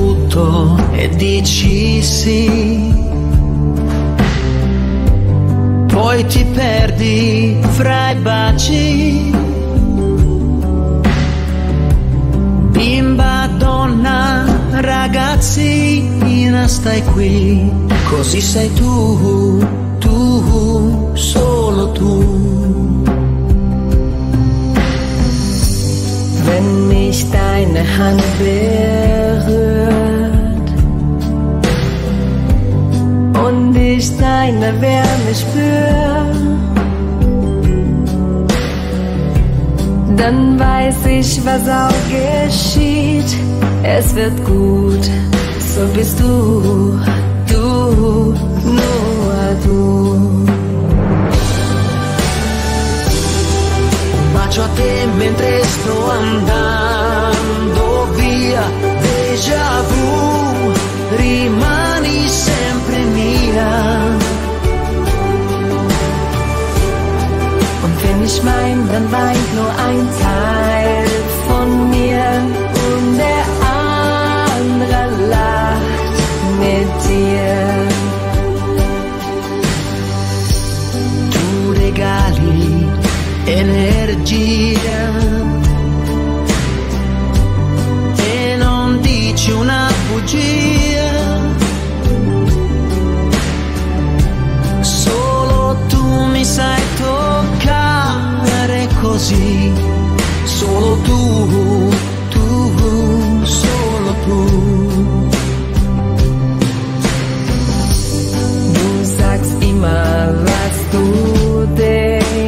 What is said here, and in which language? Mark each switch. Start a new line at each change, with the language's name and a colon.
Italian: pensi, poi ti perdi fra i baci. Bimba, donna, ragazzina, stai qui, così sei tu, tu, solo tu.
German: Wenn ich deine Hand berührt und ich deine Wärme spür, dann weiß ich, was auch geschieht. Es wird gut, so bist du, du, nur du.
Italian: Bacio a te mentre sto andando via, déjà vu, rimani sempre mia.
German: Und wenn ich mein, dann weint nur ein Teil von mir und der andere lacht mit dir.
Italian: Du regali energia e non dici una bugia, solo tu mi sai toccare così, solo tu, tu, solo tu.
German: Du sagst immer was du denkst.